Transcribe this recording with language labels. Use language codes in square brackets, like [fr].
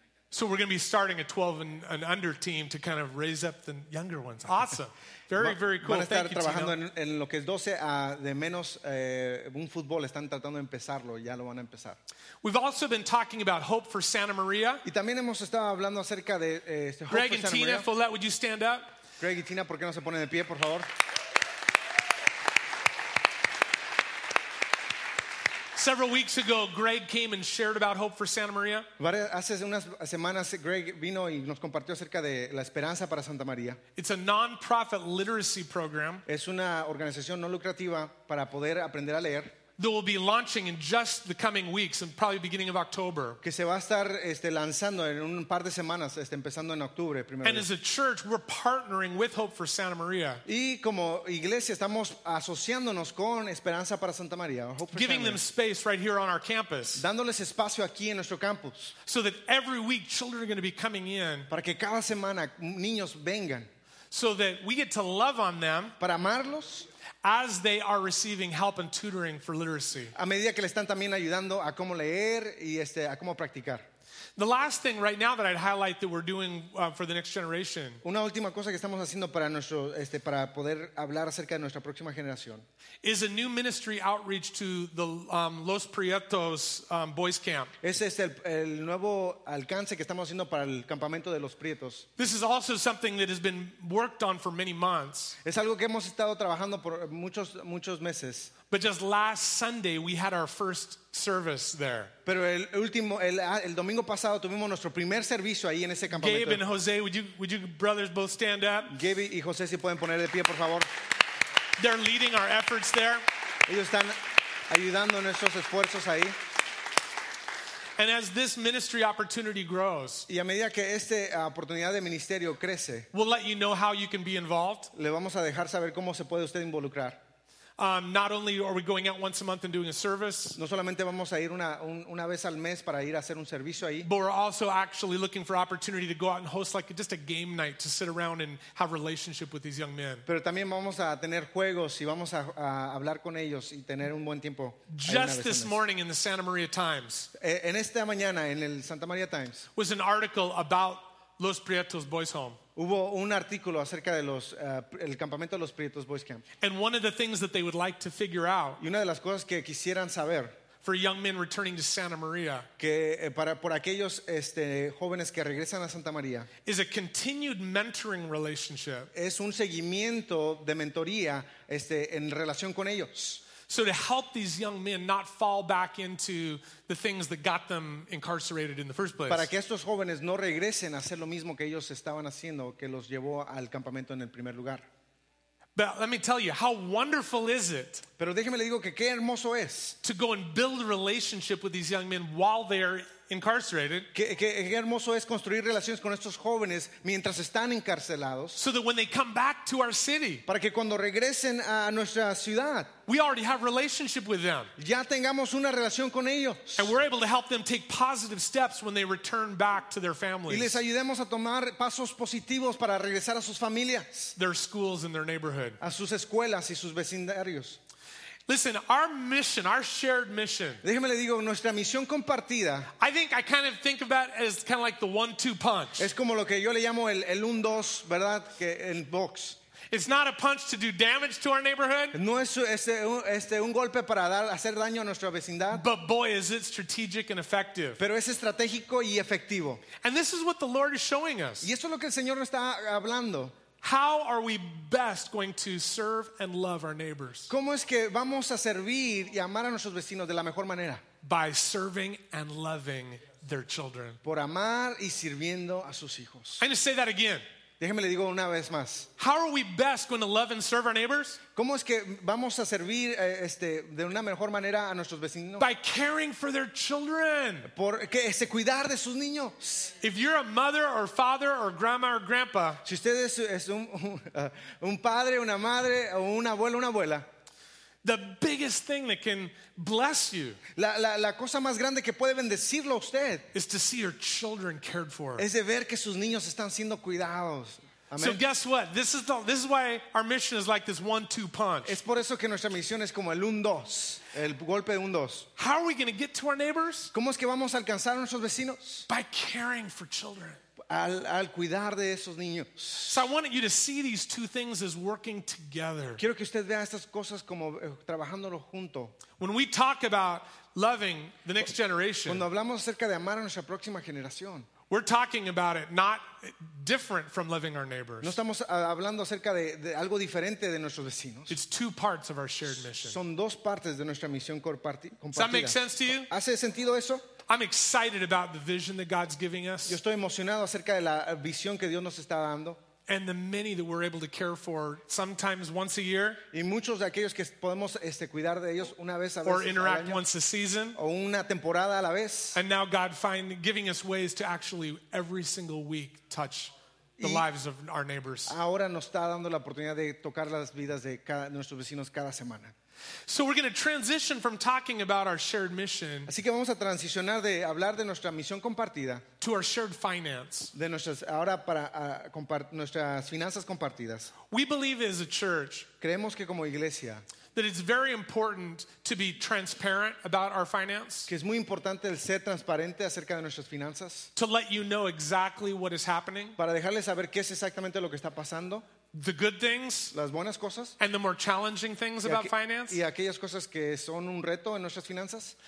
[en] So we're going to be starting a 12 and under team to kind of raise up the younger ones. Awesome. Very, very cool. [es] Van a estar [en] Thank [es] trabajando [en] you, [es] en lo que es 12 de menos un fútbol. Están tratando de empezarlo. Ya lo van a empezar. [en] We've also been talking about hope for Santa Maria. [es] Y también hemos estado hablando acerca de este hope [en] Greg for and Santa Tina, Maria. Follett, would you stand up? [es] Greg y Tina, ¿por qué no se ponen de pie, por favor? [en] Several weeks ago, Greg came and shared about hope for Santa Maria. [es] Hace unas semanas, Greg vino y nos compartió acerca de la esperanza para Santa María. [en] It's a non-profit literacy program. [es] Es una organización no lucrativa para poder aprender a leer. [en] That will be launching in just the coming weeks, and probably beginning of October. [es] Que se va a estar lanzando en un par de semanas, empezando en octubre primero. [en] And as a church, we're partnering with Hope for Santa Maria. [es] Y como iglesia estamos asociándonos con Esperanza para Santa María. [en] Giving them space right here on our campus. [es] Dándoles espacio aquí en nuestro campus. [en] So that every week children are going to be coming in. [es] Para que cada semana niños vengan. [en] So that we get to love on them. [es] Para amarlos. [en] As they are receiving help and tutoring for literacy. [es] A medida que le están también ayudando a cómo leer y a cómo practicar. [en] The last thing right now that I'd highlight that we're doing for the next generation. [es] Una última cosa que estamos haciendo para nuestro para poder hablar acerca de nuestra próxima generación. [en] Is a new ministry outreach to the Los Prietos boys camp. [es] Ese es el nuevo alcance que estamos haciendo para el campamento de Los Prietos. [en] This is also something that has been worked on for many months. [es] Es algo que hemos estado trabajando por muchos meses. [en] But just last Sunday we had our first service there. [es] Pero el domingo pasado tuvimos nuestro primer servicio ahí en ese campamento. [en] Gabe and Jose, would you brothers both stand up? [es] Gabe y Jose, si pueden poner de pie, por favor. [en] They're leading our efforts there. [es] Ellos están ayudando en nuestros esfuerzos ahí. [en] And as this ministry opportunity grows, [es] y a medida que oportunidad de ministerio crece, [en] we'll let you know how you can be involved. [es] Le vamos a dejar saber cómo se puede usted involucrar. [en] Not only are we going out once a month and doing a service, [es] no solamente vamos a ir una vez al mes para ir a hacer un servicio ahí, [en] but we're also actually looking for opportunity to go out and host like just a game night to sit around and have relationship with these young men. [es] Pero también vamos a tener juegos y vamos a hablar con ellos y tener un buen tiempo. [en] Just this morning in the Santa Maria Times, [es] en esta mañana en el Santa Maria Times, [en] was an article about Los Prietos Boys Home. [es] Hubo un artículo acerca de el campamento de Los Prietos Boys Camp. [en] And one of the things that they would like to figure out. [es] Y una de las cosas que quisieran saber. [en] For young men returning to Santa Maria. [es] Que para por aquellos jóvenes que regresan a Santa María. [en] Is a continued mentoring relationship. [es] Es un seguimiento de mentoría en relación con ellos. [en] So to help these young men not fall back into the things that got them incarcerated in the first place. [es] Para que estos jóvenes no regresen a hacer lo mismo que ellos estaban haciendo, que los llevó al campamento en el primer lugar. [en] But let me tell you, how wonderful is it? [es] Pero déjeme le digo que qué hermoso es. [en] To go and build a relationship with these young men while they're incarcerated. [es] Qué hermoso es construir relaciones con estos jóvenes mientras están encarcelados. [en] So that when they come back to our city. [es] Para que cuando regresen a nuestra ciudad. [en] We already have relationship with them. [es] Ya tengamos una relación con ellos. [en] And we're able to help them take positive steps when they return back to their families. [es] Y les ayudemos a tomar pasos positivos para regresar a sus familias. [en] Their schools and their neighborhood. [es] A sus escuelas y sus vecindarios. [en] Listen, our mission, our shared mission. [es] Déjeme le digo, nuestra misión compartida. [en] I think I kind of think of that as kind of like the 1-2 punch. [es] Es como lo que yo le llamo el 1-2, ¿verdad? Que el box. [en] It's not a punch to do damage to our neighborhood. [es] No es un golpe para hacer daño a nuestra vecindad. [en] But boy, is it strategic and effective. [es] Pero es estratégico y efectivo. [en] And this is what the Lord is showing us. [es] Y esto es lo que el Señor nos está hablando. [en] How are we best going to serve and love our neighbors? [es] ¿Cómo es que vamos a servir y amar a nuestros vecinos de la mejor manera? [en] By serving and loving their children. [es] Por amar y sirviendo a sus hijos. [en] I'm going to say that again. [es] Déjeme le digo una vez más. [en] How are we best going to love and serve our neighbors? [es] ¿Cómo es que vamos a servir de una mejor manera a nuestros vecinos? [en] By caring for their children. [es] Por que ese cuidar de sus niños. [en] If you're a mother or father or grandma or grandpa. [es] Si usted es un padre, una madre o un abuelo, una abuela. [en] The biggest thing that can bless you. [es] La cosa más grande que puede bendecirlo a usted. [en] Is to see your children cared for. [es] Es de ver que sus niños están siendo cuidados. [en] Amen. So guess what? This is why our mission is like this 1-2 punch. [es] Es por eso que nuestra misión es como el 1-2, el golpe de 1-2. [en] How are we going to get to our neighbors? [es] ¿Cómo es que vamos a alcanzar a nuestros vecinos? [en] By caring for children. [es] Al cuidar de esos niños. [en] So I want you to see these two things as working together. [es] Quiero que usted vea estas cosas como trabajándolo junto. [en] When we talk about loving the next generation, [es] cuando hablamos acerca de amar a nuestra próxima generación, [en] we're talking about it not different from loving our neighbors. [es] No estamos hablando acerca de algo diferente de nuestros vecinos. [en] It's two parts of our shared mission. [es] Son dos partes de nuestra misión compartida. [en] Does that make sense to you? [es] ¿Hace sentido eso? [en] I'm excited about the vision that God's giving us. [es] Yo estoy emocionado acerca de la visión que Dios nos está dando. [en] And the many that we're able to care for, sometimes once a year. [es] Y muchos de aquellos que podemos cuidar de ellos una vez a veces. [en] Or interact once a season. [es] O una temporada a la vez. [en] And now God find giving us ways to actually every single week touch the lives of our neighbors. [es] Ahora nos está dando la oportunidad de tocar las vidas de nuestros vecinos cada semana. [en] So we're going to transition from talking about our shared mission. [es] Así que vamos a transicionar de hablar de nuestra misión compartida. [en] To our shared finance. [es] De nuestras ahora para nuestras finanzas compartidas. [en] We believe as a church. [es] Creemos que como iglesia. [en] That it's very important to be transparent about our finance. [es] Que es muy importante el ser transparente acerca de nuestras finanzas. [en] To let you know exactly what is happening. [es] Para dejarles saber qué es exactamente lo que está pasando. [en] The good things, [es] las buenas cosas, [en] and the more challenging things about finance, [es] y aquellas cosas que son un reto en nuestras finanzas,